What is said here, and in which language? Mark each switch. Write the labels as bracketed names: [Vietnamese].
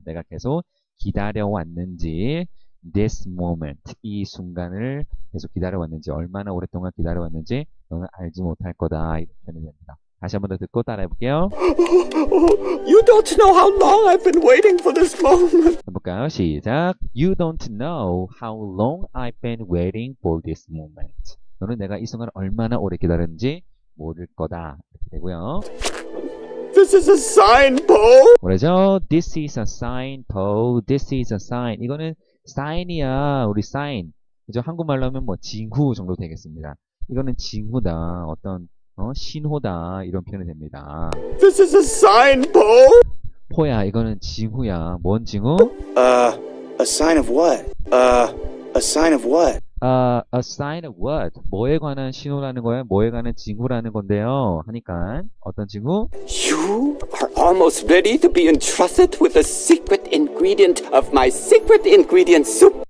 [Korean] 내가 계속 기다려왔는지. [English] This moment, [Korean] 이 순간을 계속 기다려왔는지, 얼마나 오랫동안 기다려왔는지, 너는 알지 못할 거다. 이렇게 표현을 합니다. 다시 한번더 듣고 따라해볼게요. [English] You don't know how long I've been waiting for this moment. [Korean] 해볼까요? 시작. [English] You don't know how long I've been waiting for this moment. [Korean] 너는 내가 이 순간을 얼마나 오래 기다렸는지 모를 거다. 이렇게 되고요. [English] This is a sign, Paul. [Korean] 뭐라죠? [English] This is a sign, Poe. This is a sign. [Korean] 이거는 사인이야, 우리 사인. 그죠? 한국말로 하면 뭐, 징후 정도 되겠습니다. 이거는 징후다. 어떤, 신호다. 이런 표현이 됩니다. [English] This is a sign, Paul. [Korean] 포야, 이거는 징후야. 뭔 징후? [English] A sign of what? A sign of what? A sign of what? [Korean] 뭐에 관한 신호라는 거야? 뭐에 관한 징후라는 건데요. 하니까, 어떤 징후? [English] You are almost ready to be entrusted with the secret ingredient of my secret ingredient soup.